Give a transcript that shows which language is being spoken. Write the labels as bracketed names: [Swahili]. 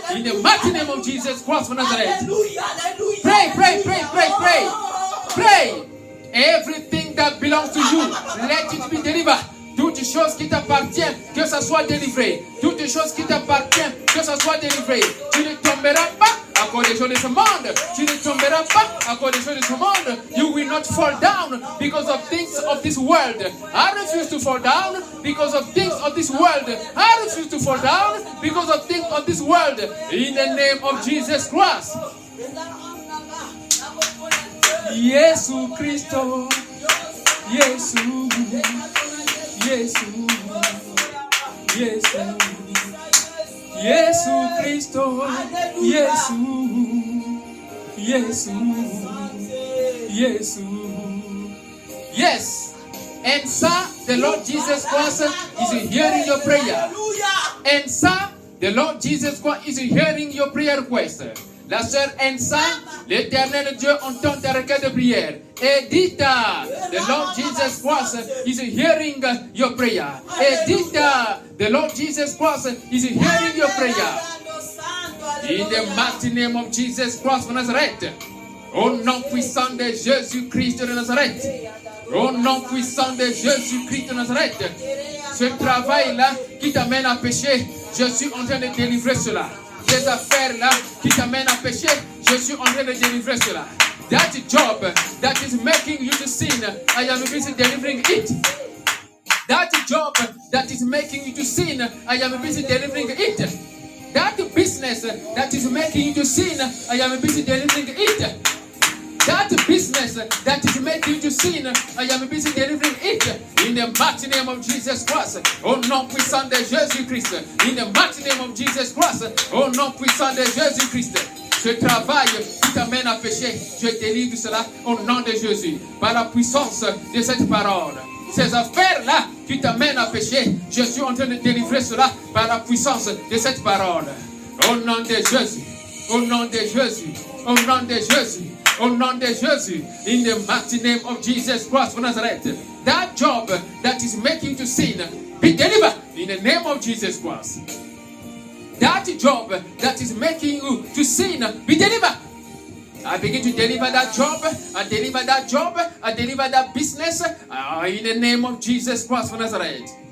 [English] In the mighty name of Jesus, cross for Nazareth. Pray. Everything that belongs to you, let it be delivered. [French] Toutes choses qui t'appartiennent, que ça soit délivré. Toutes choses qui t'appartiennent, que ça soit délivré. Tu ne tomberas pas à cause des choses de ce monde. Tu ne tomberas pas à cause des choses de ce monde. [English] You will not fall down because of things of this world. I refuse to fall down because of things of this world. I refuse to fall down because of things of this world. In the name of Jesus Christ. Jesus Christ, Jesus, Jesus, Jesus, Jesus Christ, Jesus, Jesus, Jesus. Yes, and so the Lord Jesus Christ is hearing your prayer. And so the Lord Jesus Christ is hearing your prayer request. [French] La sœur Ensa, l'éternel Dieu entend ta requête de prière. [English] Edita, the Lord Jesus Christ is hearing your prayer. Edita, the Lord Jesus Christ is hearing your prayer. In the mighty name of Jesus Christ of Nazareth, [French] au nom puissant de Jésus Christ de Nazareth, au nom puissant de Jésus Christ de Nazareth, ce travail-là qui t'amène à pécher, je suis en train de délivrer cela. Ces affaires là qui t'amènent à pécher, je suis en train de délivrer cela. [English] That job that is making you to sin, I am busy delivering it. That job that is making you to sin, I am busy delivering it. That business that is making you to sin, I am busy delivering it. That business that is making you to sin, I am busy delivering it. In the mighty name of Jesus Christ, oh no, we send the Jesus Christ. In the mighty name of Jesus Christ, oh no, we send the Jesus Christ. [French] Ce travail qui t'amène à pécher, je délivre cela au nom de Jésus, par la puissance de cette parole. Ces affaires-là qui t'amènent à pécher, je suis en train de délivrer cela par la puissance de cette parole. Au nom de Jésus, au nom de Jésus, au nom de Jésus. Au nom de Jésus, [English] in the mighty name of Jesus Christ of Nazareth, that job that is making you sin, be delivered in the name of Jesus Christ. That job that is making you to sin, be delivered. I begin to deliver that job, I deliver that job, I deliver that business, in the name of Jesus Christ of Nazareth.